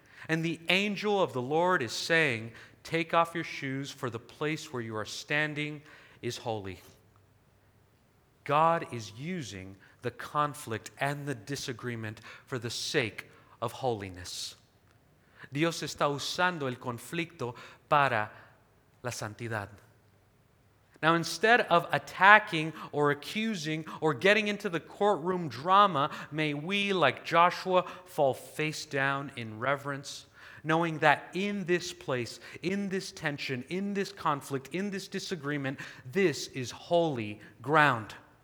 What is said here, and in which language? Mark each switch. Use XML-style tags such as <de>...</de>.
<en>And the angel of the Lord is saying, take off your shoes, for the place where you are standing is holy. God is using the conflict and the disagreement for the sake of holiness.</en> <es>Dios está usando el conflicto para la santidad.</es> <en>Now, instead of attacking or accusing or getting into the courtroom drama, may we, like Joshua, fall face down in reverence, knowing that in this place, in this tension, in this conflict, in this disagreement, this is holy ground.</en>